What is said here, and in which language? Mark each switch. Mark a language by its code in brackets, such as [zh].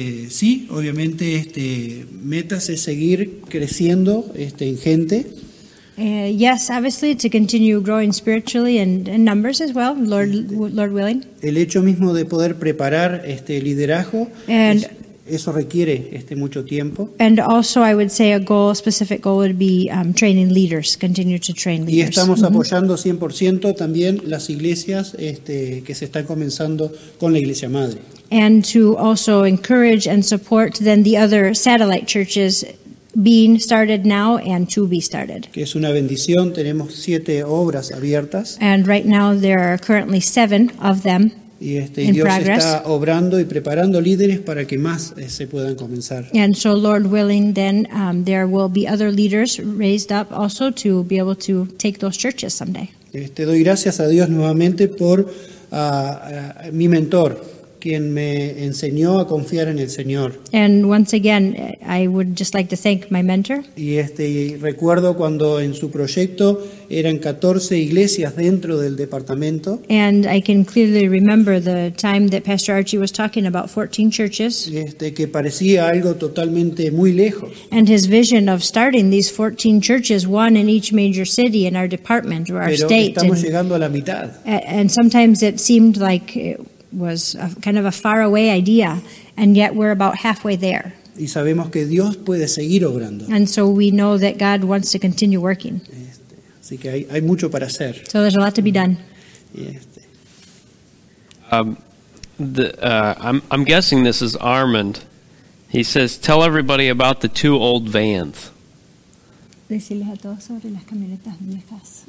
[es] Sí, obviamente metas es seguir creciendo en gente. [en] Yes, obviously to continue growing spiritually and in numbers as well, Lord willing. [es] El hecho mismo de poder preparar liderazgo [en] and, [es] eso requiere mucho tiempo. [en] And also I would say a specific goal would be training leaders, continue to train leaders. [es] Y estamos apoyando 100% también las iglesias que se están comenzando con la Iglesia Madre. [en] And to also encourage and support then the other satellite churches being started now and to be started. [es] Que es una bendición, tenemos 7 obras abiertas. [en] And right now there are currently 7 of them. [es] Y Dios está obrando y preparando líderes para que más se puedan comenzar. [en] And so Lord willing then there will be other leaders raised up also to be able to take those churches someday. [es] Doy gracias a Dios nuevamente por mi mentor, quien me enseñó a confiar en el Señor. [en] And once again I would just like to thank my mentor. [es] Y recuerdo cuando en su proyecto eran 14 iglesias dentro del departamento. [en] And I can clearly remember the time that Pastor Archie was talking about 14 churches. [es] Que parecía algo totalmente muy lejos. [en] And his vision of starting these 14 churches, one in each major city in our department or our [es] Pero [en] state. [es] Pero estamos llegando a la mitad. [en] And sometimes it seemed like was a kind of a far away idea, and yet we're about halfway there. [es] Y sabemos que Dios puede seguir obrando. [en] And so we know that God wants to continue working. [es] Así que hay mucho para hacer. [en] So there's a lot to be done. I'm guessing this is Armand. He says, tell everybody about the 2 old vans. [es] Decirles a todos sobre las camionetas viejas.